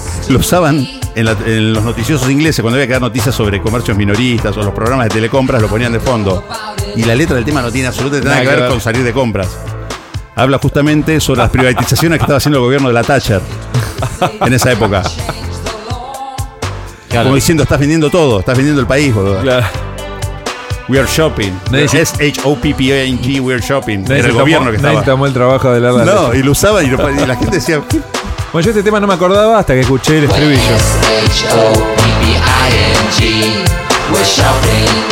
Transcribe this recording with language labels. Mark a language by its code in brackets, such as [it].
[es] Lo usaban en los noticiosos ingleses cuando había que dar noticias sobre comercios minoristas o los programas de telecompras, lo ponían de fondo. Y la letra del tema no tiene absolutamente nada que ver con salir de compras. Habla justamente sobre las privatizaciones que estaba haciendo el gobierno de la Thatcher. en esa época. Claro. Como diciendo, estás vendiendo todo, estás vendiendo el país, boludo. Claro. [en] We are shopping. S-H-O-P-P-I-N-G, we are shopping. [es] Era el gobierno que estaba. Nadie tomó el trabajo de la radio. No, y lo usaba y la gente decía. Bueno, yo este tema no me acordaba hasta que escuché el estribillo. [en] S-H-O-P-P-I-N-G, we're shopping.